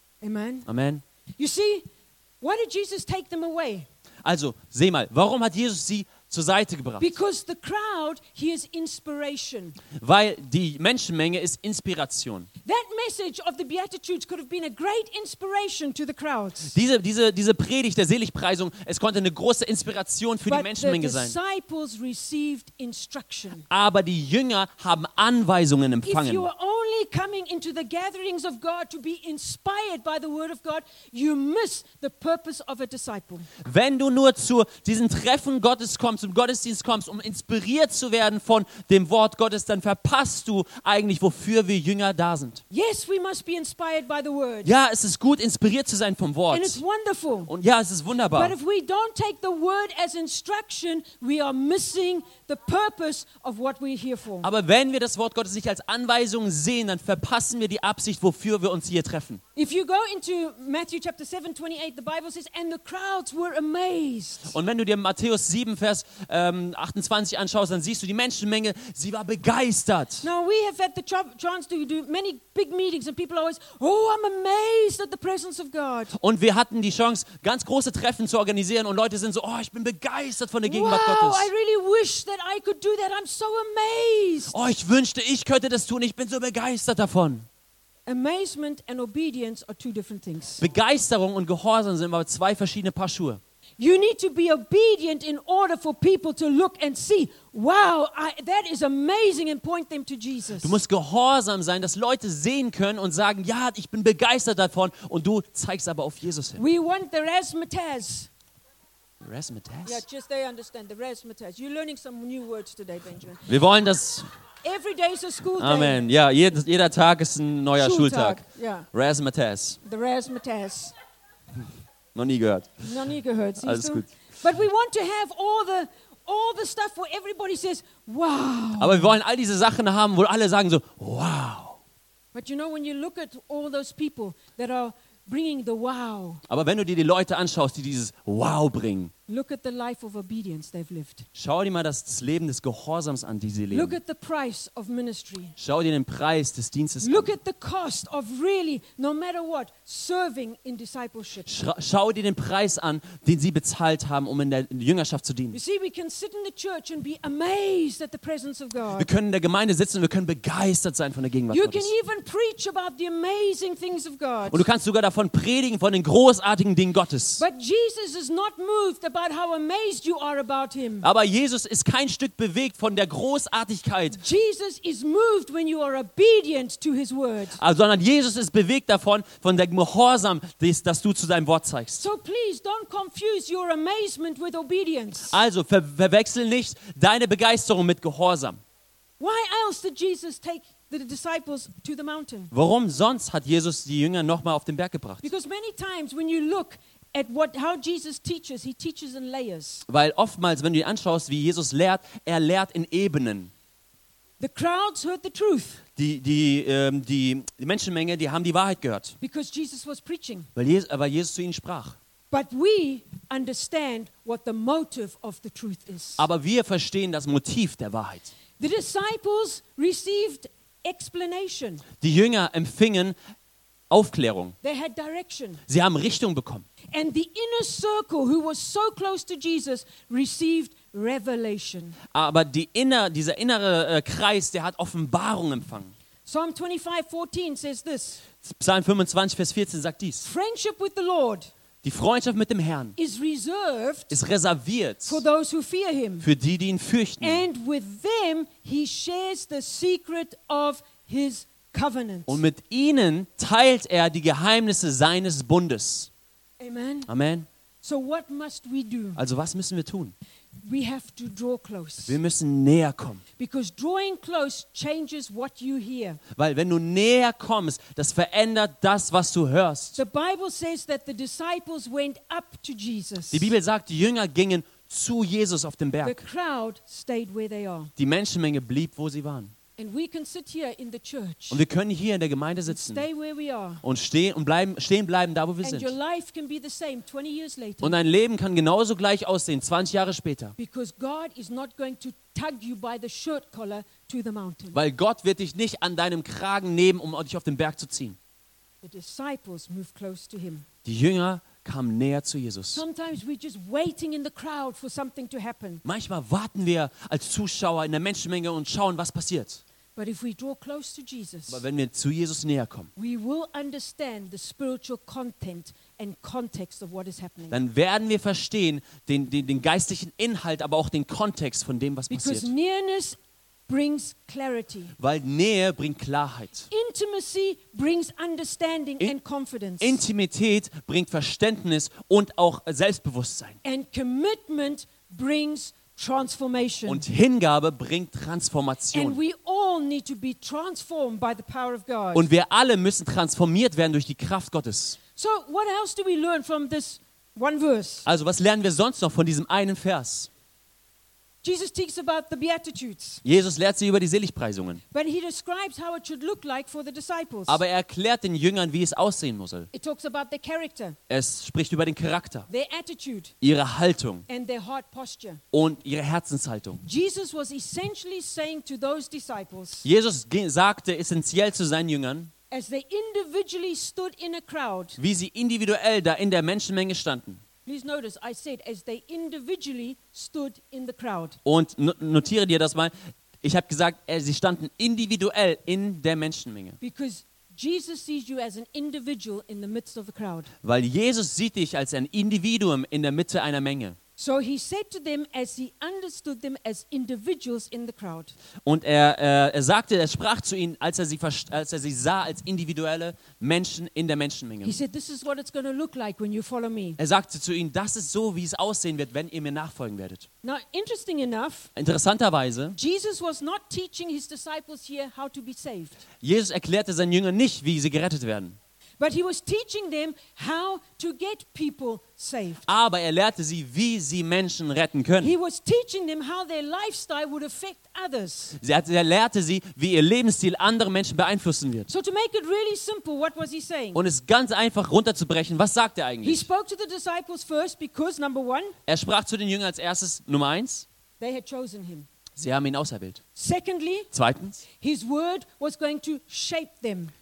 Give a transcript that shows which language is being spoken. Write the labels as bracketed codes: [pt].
[en] Amen. Amen. You see, why did Jesus take them away? [de] Also, seh mal, warum hat Jesus sie zur Seite gebracht? [en] Because the crowd, he is inspiration. [de] Weil die Menschenmenge ist Inspiration. [en] That message of the Beatitudes could have been a great inspiration to the crowds. [de] Diese Predigt der Seligpreisung, es konnte eine große Inspiration für [en] But [de] die Menschenmenge sein. [en] The disciples received instruction. [de] Aber die Jünger haben Anweisungen empfangen. [en] If you are only coming into the gatherings of God to be inspired by the word of God, you miss the purpose of a disciple. [de] Wenn du nur zu diesen Treffen Gottes kommst, zum Gottesdienst kommst, um inspiriert zu werden von dem Wort Gottes, dann verpasst du eigentlich, wofür wir Jünger da sind. [en] Yes, we must be inspired by the word. [de] Ja, es ist gut, inspiriert zu sein vom Wort. [en] And it's wonderful. [de] Und ja, es ist wunderbar. [en] But if we don't take the word as instruction, we are missing the purpose of what we're here for. [de] Aber wenn wir das Wort Gottes nicht als Anweisung sehen, dann verpassen wir die Absicht, wofür wir uns hier treffen. [en] If you go into Matthew chapter 7:28, the Bible says, and the crowds were amazed. [de] Und wenn du dir Matthäus 7 Vers 28 anschaust, dann siehst du die Menschenmenge, sie war begeistert. [en] Now we have had the chance to do many big meetings and people always, oh, I'm amazed at the presence of God. [de] Und wir hatten die Chance, ganz große Treffen zu organisieren und Leute sind so, oh, ich bin begeistert von der Gegenwart wow, Gottes. [en] I really wish that I could do that. I'm so amazed. [de] Oh, ich wünschte, ich könnte das tun. Ich bin so begeistert davon. [en] Amazement and obedience are two different things. [de] Begeisterung und Gehorsam sind aber zwei verschiedene Paar Schuhe. [en] You need to be obedient in order for people to look and see, wow, that is amazing, and point them to Jesus. [de] Du musst gehorsam sein, dass Leute sehen können und sagen, ja, ich bin begeistert davon, und du zeigst aber auf Jesus hin. [en] We want the razzmatazz. Razzmatazz? Yeah, just they understand, the razzmatazz. You're learning some new words today, Benjamin. [de] Wir wollen das. [en] Every day is a school day. Amen. [de] Ja, jeder Tag ist ein neuer Schultag. [en] Yeah. Razzmatazz. The razzmatazz. [de] Noch nie gehört. Alles du? Gut. [en] But we want to have all the stuff where everybody says, wow. [de] Aber wir wollen all diese Sachen haben, wo alle sagen so, wow. [en] But you know, when you look at all those people that are bringing the wow. [de] Aber wenn du dir die Leute anschaust, die dieses wow bringen. [en] Look at the life of obedience they've lived. [de] Schau dir mal das Leben des Gehorsams an, die sie leben. [en] Look at the price of ministry. [de] Schau dir den Preis des Dienstes [en] look [de] an. [en] At the cost of really, no matter what, serving in discipleship. [de] Schau dir den Preis an, den sie bezahlt haben, um in der Jüngerschaft zu dienen. [en] You see, we can sit in the church and be amazed at the presence of God. [de] Wir können in der Gemeinde sitzen und wir können begeistert sein von der Gegenwart [en] you [de] Gottes. [en] You can even preach about the amazing things of God. [de] Und du kannst sogar davon predigen, von den großartigen Dingen Gottes. [en] But Jesus is not moved about how amazed you are about him. [de] Aber Jesus ist kein Stück bewegt von der Großartigkeit. [en] Jesus is moved when you are obedient to his word. [de] Sondern Jesus ist bewegt davon, von der Gehorsam, das du zu seinem Wort zeigst. [en] So please don't confuse your amazement with obedience. [de] Also verwechsel nicht deine Begeisterung mit Gehorsam. [en] Why else did Jesus take the disciples to the mountain? [de] Warum sonst hat Jesus die Jünger nochmal auf den Berg gebracht? [en] Because many times when you look at what how Jesus teaches, he teaches in layers. [de] Weil oftmals, wenn du dir anschaust, wie Jesus lehrt, er lehrt in Ebenen. [en] The crowds heard the truth. [de] Die Menschenmenge, die haben die Wahrheit gehört. [en] Because Jesus was preaching. [de] Weil Jesus zu ihnen sprach. [en] But we understand what the motive of the truth is. [de] Aber wir verstehen das Motiv der Wahrheit. [en] The disciples received explanation. [de] Die Jünger empfingen Aufklärung. [en] They had direction. [de] Sie haben Richtung bekommen. [en] And the inner circle who was so close to Jesus received revelation. [de] Aber dieser innere Kreis, der hat Offenbarung empfangen. [en] Psalm 25:14 says this. [de] Psalm 25 Vers 14 sagt dies. [en] Friendship with the Lord. [de] Die Freundschaft mit dem Herrn ist reserviert [en] for those who fear him. [de] Für die, die ihn fürchten. [en] And with them he shares the secret of his covenant. [de] Und mit ihnen teilt er die Geheimnisse seines Bundes. [en] Amen. Amen. So what must we do? [de] Also was müssen wir tun? [en] We have to draw close. [de] Wir müssen näher kommen. [en] Because drawing close changes what you hear. [de] Weil wenn du näher kommst, das verändert das, was du hörst. [en] The Bible says that the disciples went up to Jesus. [de] Die Bibel sagt, die Jünger gingen zu Jesus auf den Berg. [en] The crowd stayed where they are. [de] Die Menschenmenge blieb, wo sie waren. [en] And we can sit here in the church. [de] Und wir können hier in der Gemeinde sitzen. [en] Stay where we are. [de] Und stehen bleiben da, wo wir [en] and [de] sind. [en] Your life can be the same 20 years later. [de] Und dein Leben kann genauso gleich aussehen 20 Jahre später. [en] Because God is not going to tug you by the shirt collar to the mountain. [de] Weil Gott wird dich nicht an deinem Kragen nehmen, um dich auf den Berg zu ziehen. [en] The disciples moved close to him. [de] Die Jünger kamen näher zu Jesus. [en] Sometimes we're just waiting in the crowd for something to happen. [de] Manchmal warten wir als Zuschauer in der Menschenmenge und schauen, was passiert. [en] But if we draw close to Jesus, [de] aber wenn wir zu Jesus näher kommen, [en] we will understand the spiritual content and context of what is happening. [de] Dann werden wir verstehen den geistlichen Inhalt, aber auch den Kontext von dem, was [en] because [de] passiert. [en] Because nearness brings clarity. [de] Weil Nähe bringt Klarheit. [en] Intimacy brings understanding and confidence. [de] Intimität bringt Verständnis und auch Selbstbewusstsein. [en] And commitment brings transformation. [de] Und Hingabe bringt Transformation. [en] And we all need to be transformed by the power of God. [de] Und wir alle müssen transformiert werden durch die Kraft Gottes. [en] So what else do we learn from this one verse? [de] Also, was lernen wir sonst noch von diesem einen Vers? [en] Jesus teaches about the Beatitudes. [de] Jesus lehrt sie über die Seligpreisungen. [en] But he describes how it should look like for the disciples. [de] Aber er erklärt den Jüngern, wie es aussehen muss. [en] It talks about their character. [de] Es spricht über den Charakter. [en] Their attitude. [de] Ihre Haltung. [en] And their heart posture. [de] Und ihre Herzenshaltung. [en] Jesus was essentially saying to those disciples. [de] Jesus sagte essentiell zu seinen Jüngern. [en] As they individually stood in a crowd. [de] Wie sie individuell da in der Menschenmenge standen. [en] Please notice, I said, as they individually stood in the crowd. [de] Und notiere dir das mal. Ich habe gesagt, sie standen individuell in der Menschenmenge. [en] Because Jesus sees you as an individual in the midst of a crowd. [de] Weil Jesus sieht dich als ein Individuum in der Mitte einer Menge. [en] So he said to them, as he understood them as individuals in the crowd. [de] Und er sprach zu ihnen, als er sie sah als individuelle Menschen in der Menschenmenge. [en] He said, this is what it's going to look like when you follow me. [de] Er sagte zu ihnen, das ist so, wie es aussehen wird, wenn ihr mir nachfolgen werdet. [en] Now, interesting enough. [de] Interessanterweise. [en] Jesus was not teaching his disciples here how to be saved. [de] Jesus erklärte seinen Jüngern nicht, wie sie gerettet werden. [en] But he was teaching them how to get people saved. [de] Aber er lehrte sie, wie sie Menschen retten können. [en] He was teaching them how their lifestyle would affect others. [de] Er lehrte sie, wie ihr Lebensstil andere Menschen beeinflussen wird. [en] So to make it really simple, what was he saying? [de] Und es ganz einfach runterzubrechen, was sagt er eigentlich? [en] He spoke to the disciples first because number one. [de] Er sprach zu den Jüngern als erstes, Nummer eins. [en] They had chosen him. [de] Sie haben ihn auserwählt. [en] Secondly. [de] Zweitens. [en] His word was going to shape them.